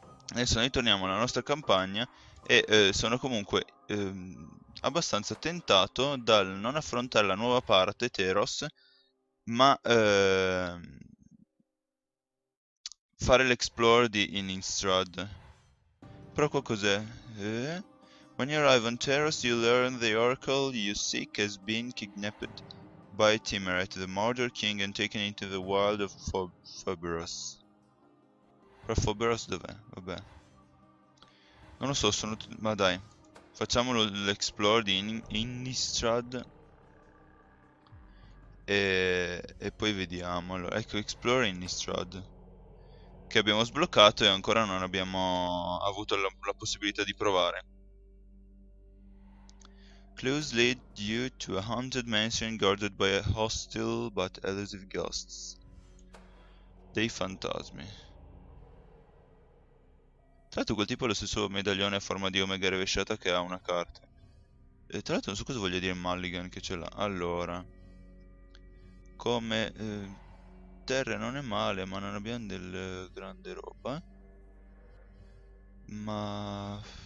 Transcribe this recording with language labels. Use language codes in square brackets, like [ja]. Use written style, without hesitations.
[it] Adesso noi torniamo alla nostra campagna e sono comunque abbastanza tentato dal non affrontare la nuova parte, Teros, ma fare l'explore di Innistrad. Però qua cos'è? [en] When you arrive on Teros, you learn the Oracle you seek has been kidnapped by Timaret, the Mordor King, and taken into the world of Phoboros. [it] Però Phoboros dov'è? Vabbè. Non lo so, sono... ma dai. Facciamolo l'explore di Innistrad. E poi vediamo. Allora, ecco, explore Innistrad, che abbiamo sbloccato e ancora non abbiamo avuto la possibilità di provare. [en] Clues lead you to a haunted mansion guarded by a hostile but elusive ghosts. [it] Dei fantasmi. Tra l'altro quel tipo ha lo stesso medaglione a forma di omega rovesciata che ha una carta. E tra l'altro non so cosa voglia dire Mulligan che ce l'ha. Allora, come terre non è male, ma non abbiamo del grande roba. Ma...